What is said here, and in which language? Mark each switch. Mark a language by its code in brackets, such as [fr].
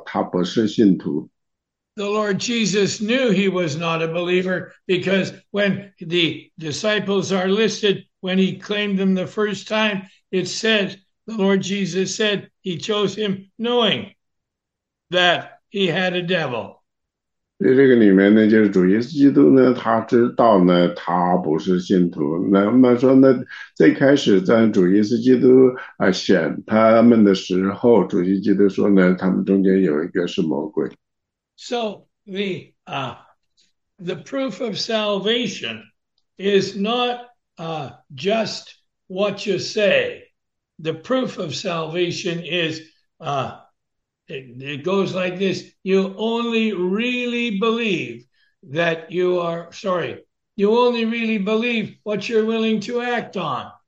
[zh] 所以他是如此聪明，他非常善于欺骗，所以其他的那些门徒们呢，并没有意识到他不是信徒。 [en] The Lord Jesus knew he was not a believer because when the disciples are listed, when he claimed them the first time, it said, the Lord Jesus said he chose him knowing that he had a devil. [zh] 在这个里面呢，就是主耶稣基督呢，他知道呢，他不是信徒。那么说呢，最开始在主耶稣基督啊选他们的时候，主耶稣基督说呢，他们中间有一个是魔鬼。 [en] So the proof of salvation is not just what you say. The proof of salvation is it goes like this. You only really believe that you are, sorry, you only really believe what you're willing to act on.